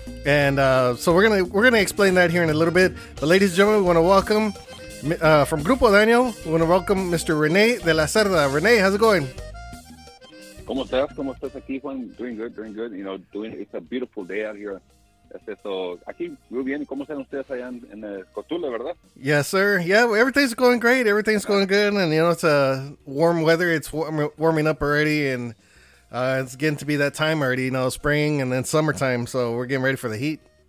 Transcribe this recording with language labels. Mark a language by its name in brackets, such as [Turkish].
[English] And so we're gonna explain that here in a little bit. But ladies and gentlemen, we want to welcome from Grupo Dano, we want to welcome Mr. Rene de la Cerda. Rene, how's it going? [Spanish] Como estás aquí, Juan? [English] Doing good. You know, it's a beautiful day out here. [Spanish] So, aquí, muy bien. ¿Cómo están ustedes allá en Cotula, verdad? [English] Yes, sir. Yeah, everything's going great. Everything's going good. And, you know, it's a warm weather. It's warming up already. And it's getting to be that time already, you know, spring and then summertime. So, we're getting ready for the heat.